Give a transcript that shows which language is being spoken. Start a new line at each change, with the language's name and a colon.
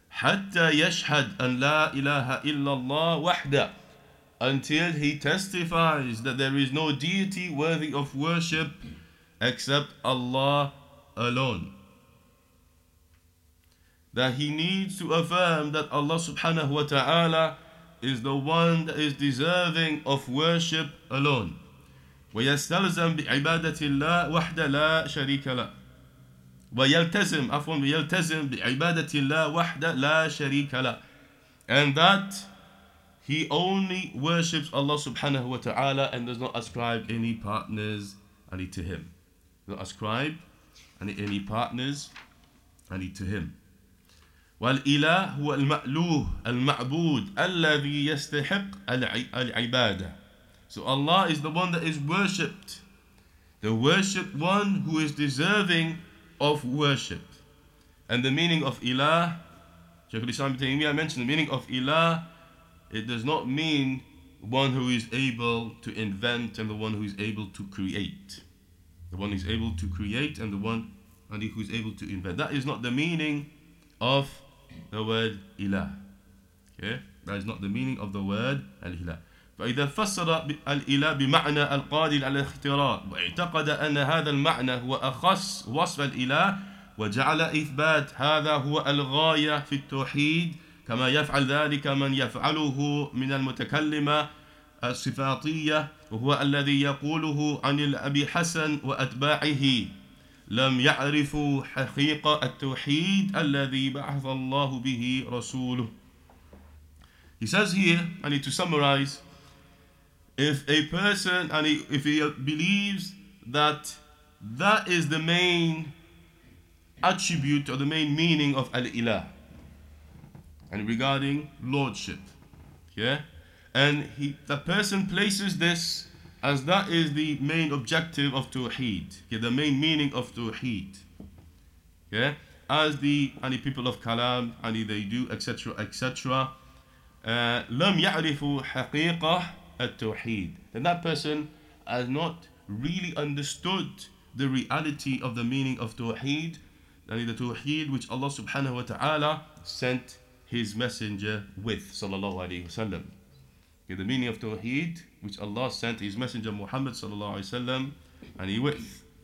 Arabic: حتى يشهد أن لا إله إلا الله وحده,
English: until he testifies that there is no deity worthy of worship except Allah alone. That he needs to affirm that Allah subhanahu wa ta'ala is the one that is deserving of worship alone.
Arabic: ويستلزم بعبادة الله وحده لا شريك له. ويلتزم بعبادة الله وحده لا شريك له.
English: And that he only worships Allah subhanahu wa ta'ala and does not ascribe any partners to him. Not ascribe any partners to him.
Arabic: والإله هو المألوه المعبود الذي يستحق العبادة.
English: So Allah is the one that is worshipped, the worshipped one who is deserving of worship. And the meaning of ilah, Shaykh al-Islam ibn Taymiyyah mentioned the meaning of ilah, it does not mean one who is able to invent and the one who is able to create. The one who is able to create and the one who is able to invent. That is not the meaning of the word ilah. Okay, that is not the meaning of the word al-ilah.
Arabic: فإذا فسر الإله بمعنى القادر على الاختراع واعتقد أن هذا المعنى هو أخص وصف الإله وجعل إثبات هذا هو الغاية في التوحيد كما يفعل ذلك من يفعله من المتكلمة الصفاتية وهو الذي يقوله عن الأبي حسن وأتباعه لم يعرفوا حقيقة التوحيد الذي بعث الله به رسوله.
English: He says here, I need to summarize. If a person, and if he believes that that is the main attribute or the main meaning of al-ilah, and regarding lordship, yeah, and he, the person places this as that is the main objective of tawheed, yeah, the main meaning of tawheed, yeah, as the any people of kalam, any they do, etc., etc.
Arabic: لم يعرفوا حقيقة التوحيد.
English: Then that person has not really understood the reality of the meaning of tawheed, that is the tawheed which Allah subhanahu wa ta'ala sent his messenger with, sallallahu alayhi wa sallam. Okay, the meaning of tawheed which Allah sent his messenger Muhammad sallallahu alayhi wa sallam and he with.